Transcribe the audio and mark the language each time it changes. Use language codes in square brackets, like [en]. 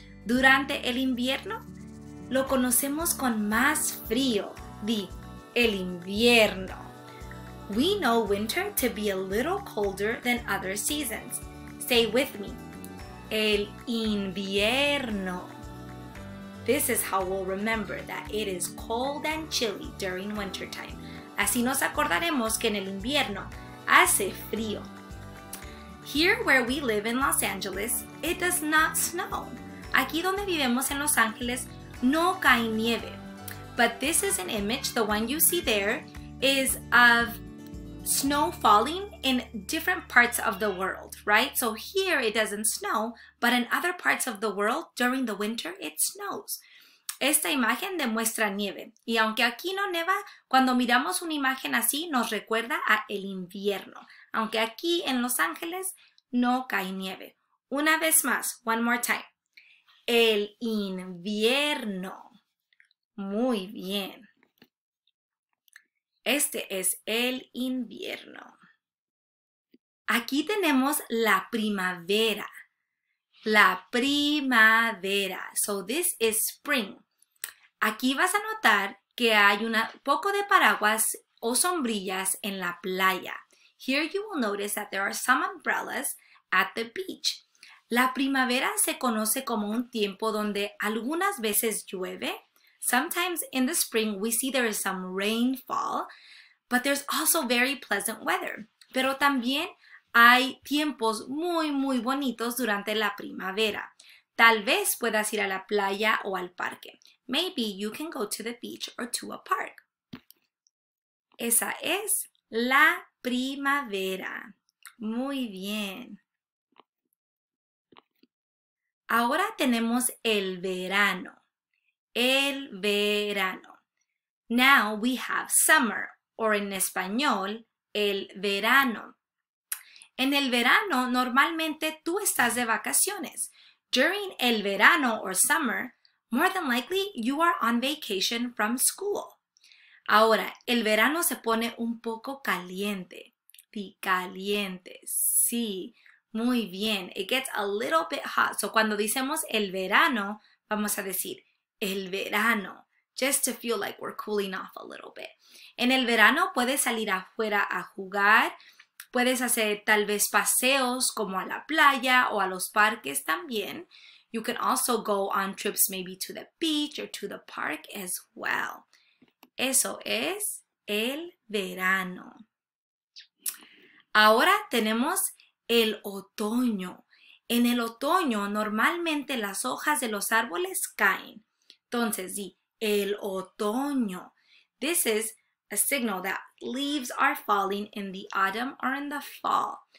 [es] Durante el invierno, lo conocemos con más frío. Di, el invierno. [en] We know winter to be a little colder than other seasons. Say with me. El invierno. This is how we'll remember that it is cold and chilly during winter time. [es] Así nos acordaremos que en el invierno hace frío. [en] Here where we live in Los Angeles, it does not snow. [es] Aquí donde vivimos en Los Ángeles, no cae nieve. [en] But this is an image, the one you see there, is of snow falling in different parts of the world, right? So here it doesn't snow, but in other parts of the world, during the winter, it snows. [es] Esta imagen demuestra nieve. Y aunque aquí no neva, cuando miramos una imagen así, nos recuerda a el invierno. Aunque aquí en Los Ángeles no cae nieve. Una vez más, [en] one more time. [es] El invierno. Muy bien. Este es el invierno. Aquí tenemos la primavera. La primavera. [en] So this is spring. [es] Aquí vas a notar que hay un poco de paraguas o sombrillas en la playa. [en] Here you will notice that there are some umbrellas at the beach. [es] La primavera se conoce como un tiempo donde algunas veces llueve. [en] Sometimes in the spring we see there is some rainfall, but there's also very pleasant weather. [es] Pero también hay tiempos muy, muy bonitos durante la primavera. Tal vez puedas ir a la playa o al parque. [en] Maybe you can go to the beach or to a park. [es] Esa es la primavera. Muy bien. Ahora tenemos el verano. El verano. [en] Now we have summer, or en español, el verano. [es] En el verano, normalmente tú estás de vacaciones. [en] During el verano or summer, more than likely you are on vacation from school. [es] Ahora, el verano se pone un poco caliente. Y caliente. Sí, muy bien. [en] It gets a little bit hot. So [es] cuando decimos el verano, [en] vamos a decir el verano. Just to feel like we're cooling off a little bit. [es] En el verano puedes salir afuera a jugar. Puedes hacer tal vez paseos como a la playa o a los parques también. [en] You can also go on trips maybe to the beach or to the park as well. [es] Eso es el verano. Ahora tenemos el otoño. En el otoño, normalmente las hojas de los árboles caen. Entonces, di, el otoño. [en] This is a signal that leaves are falling in the autumn or in the fall.